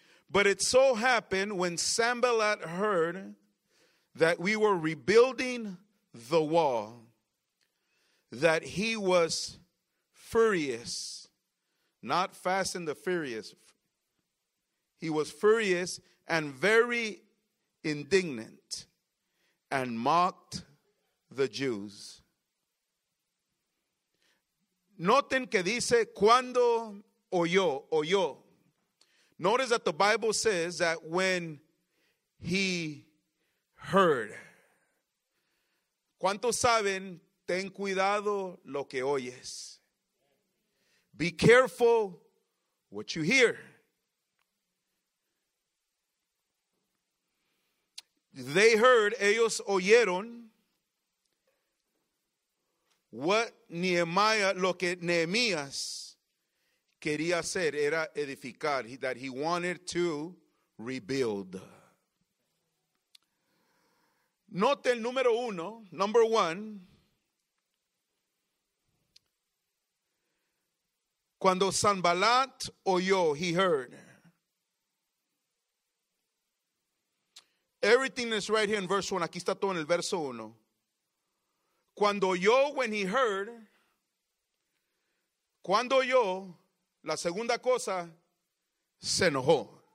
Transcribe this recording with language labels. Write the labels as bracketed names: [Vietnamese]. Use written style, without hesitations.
[English] But it so happened when Sanballat heard that we were rebuilding the wall, that he was furious. Not fast and the furious. He was furious and very indignant and mocked the Jews. [Spanish] Noten que dice, cuando oyó. [English] Notice that the Bible says that when he heard. [Spanish] ¿Cuántos saben? Ten cuidado lo que oyes. [English] Be careful what you hear. They heard, [Spanish] ellos oyeron [English] what Nehemiah, [Spanish] lo que Nehemías quería hacer, era edificar, [English] that he wanted to rebuild. [Spanish] Note el número uno, [English] number one. [Spanish] Cuando Sanbalat oyó, [English] he heard. Everything is right here in verse one. [Spanish] Aquí está todo en el verso uno. Cuando oyó, [English] when he heard. [Spanish] Cuando oyó. La segunda cosa, se enojó.